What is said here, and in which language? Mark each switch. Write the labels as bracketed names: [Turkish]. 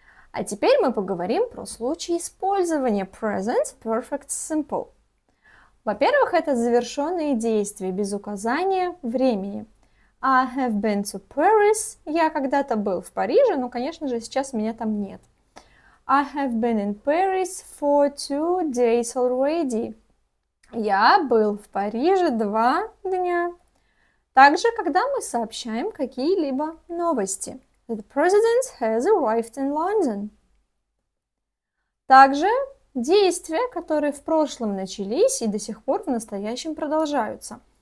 [Russian] А теперь мы поговорим про случай использования present perfect simple. Во-первых, это завершенные действия без указания времени. [English] I have been to Paris. [Russian] Я когда-то был в Париже, но, конечно же, сейчас меня там нет. [English] I have been in Paris for 2 days already. [Russian] Я был в Париже 2 дня. Также, когда мы сообщаем какие-либо новости. [English] The president has arrived in London. [Russian] Также действия, которые в прошлом начались и до сих пор в настоящем продолжаются.